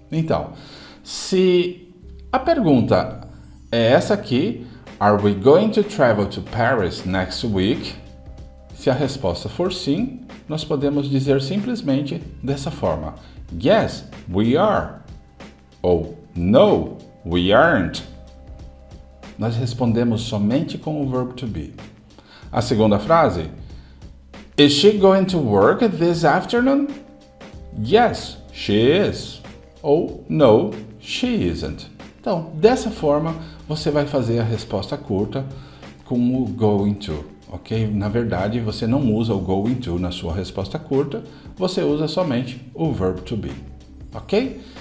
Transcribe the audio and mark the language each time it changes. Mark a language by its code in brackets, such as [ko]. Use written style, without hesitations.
[pt] Então, se a pergunta é essa aqui, [en] are we going to travel to Paris next week? [pt] Se a resposta for sim, nós podemos dizer simplesmente dessa forma. [en] Yes, we are. Ou no, we aren't. [pt] Nós respondemos somente com o verbo to be. A segunda frase. [en] Is she going to work this afternoon? Yes, she is. Ou no, she isn't. [pt] Então, dessa forma, você vai fazer a resposta curta com o going to. Ok? Na verdade, você não usa o going to na sua resposta curta, você usa somente o verb to be. Ok?